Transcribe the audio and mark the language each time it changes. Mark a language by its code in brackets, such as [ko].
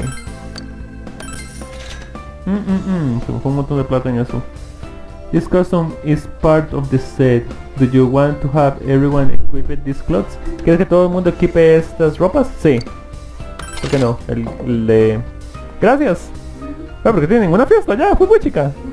[es] Se me fue un montón de plata en eso. [en] This custom is part of the set. Do you want to have everyone equip these clothes? [es] ¿Quieres que todo el mundo equipe estas ropas? Sí. ¿Por qué no? El de... ¡Gracias! Ah, porque tienen una fiesta ya, fui muy chica.